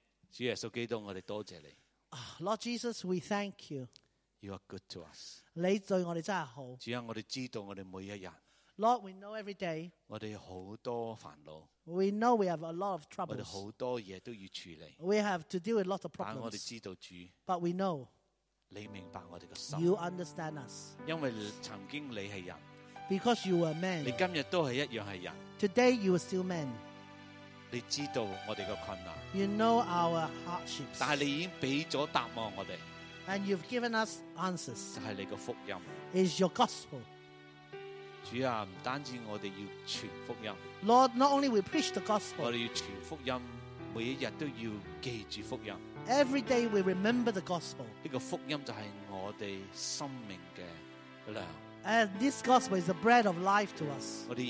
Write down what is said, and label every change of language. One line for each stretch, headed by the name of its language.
Chinese: 主耶稣基督, 我们多谢你,
English: Lord Jesus, we thank you. You are good to us.
Chinese: 你对我们真是好, 主啊, 我们知道我们每一天,
English: Lord, we know every day,
Chinese: 我们有很多烦恼,
English: we know we have a lot of troubles,
Chinese: 我们很多事都要处理,
English: we have to deal with lots of problems,
Chinese: 但我们知道主,
English: but we know,
Chinese: 你明白我们的心,
English: you understand us,
Chinese: 因为曾经你是人,
English: because you were man.
Chinese: 你今天都是一样是人,
English: today you are still man.
Chinese: 你知道我们的困难,
English: you know our hardships.
Chinese: 但你已经给了答案我们,
English: and you've given us answers.
Chinese: 就是你的福音,
English: is your gospel.
Chinese: 主啊, 不单止我们要传福音,
English: Lord, not only we preach the gospel,
Chinese: 我们要传福音, 每一天都要记住福音,
English: every day we remember the gospel.
Chinese: 这个福音就是我们生命的粮,
English: and this gospel is the bread of life to us.